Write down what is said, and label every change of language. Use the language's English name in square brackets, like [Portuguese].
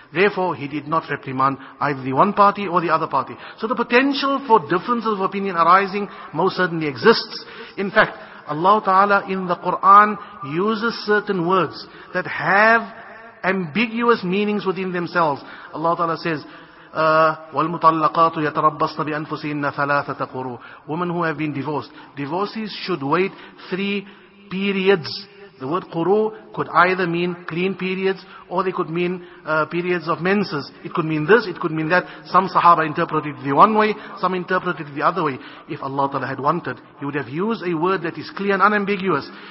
[English] Therefore, he did not reprimand either the one party or the other party. So the potential for differences of opinion arising most certainly exists. In fact, Allah Ta'ala in the Quran uses certain words that have ambiguous meanings within themselves. Allah Ta'ala says, [Arabic] وَالْمُطَلَّقَاتُ يَتَرَبَّصْنَ بِأَنفُسِهِنَّ ثَلَاثَةَ قُرُوا. [English] Women who have been divorced, divorcees should wait 3 periods. The word quru could either mean clean periods or they could mean periods of menses. It could mean this, it could mean that. Some Sahaba interpreted the one way, some interpreted the other way. If Allah Ta'ala had wanted, He would have used a word that is clear and unambiguous.